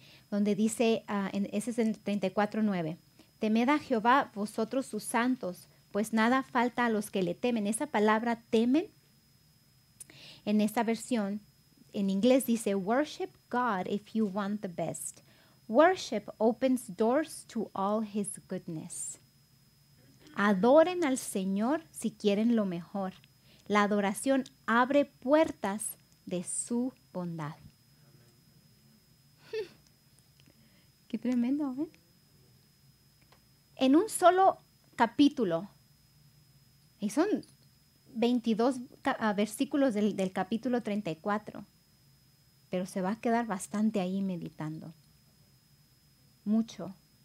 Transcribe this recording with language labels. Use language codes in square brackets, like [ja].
[es] donde dice, ese es en 34:9, temed a Jehová vosotros sus santos, pues nada falta a los que le temen. Esa palabra temen, en esa versión, en inglés dice, [en] worship God if you want the best. Worship opens doors to all his goodness. [es] Adoren al Señor si quieren lo mejor. La adoración abre puertas de su bondad. Qué tremendo, ¿eh? En un solo capítulo, y son 22 versículos del capítulo 34, pero se va a quedar bastante ahí meditando. Mucho.